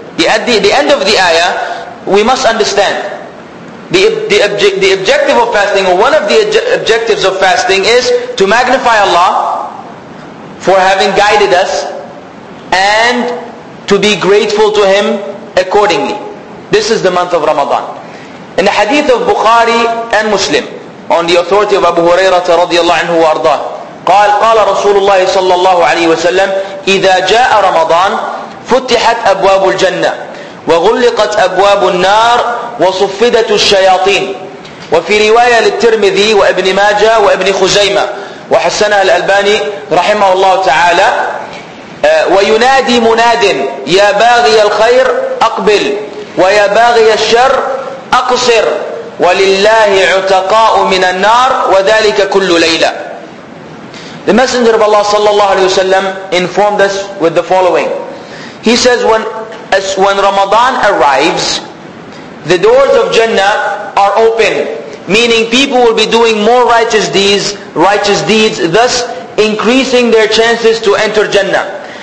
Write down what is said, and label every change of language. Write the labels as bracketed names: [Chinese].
[English] At the end of the ayah, we must understand the objective of fasting, or one of the objectives of fasting, is to magnify Allah for having guided us and to be grateful to Him accordingly. This is the month of Ramadan. In the hadith of Bukhari and Muslim, on the authority of Abu Hurairah radiallahu anhu wa arda, [Arabic] قال رسول الله صلى الله عليه وسلم إذا جاء رمضان فتحت أبواب الجنة وغلقت أبواب النار وصفدت الشياطين. وفي رواية للترمذي وابن ماجة وابن خزيمة وحسنها الألباني رحمه الله تعالى وينادي مناد يا باغي الخير أقبل ويا باغي الشر أقصر ولله عتقاء من النار وذلك كل ليلة. [English] The Messenger of Allah sallallahu alayhi wa sallam informed us with the following. He says, when Ramadan arrives, the doors of Jannah are open, meaning people will be doing more righteous deeds, thus increasing their chances to enter Jannah.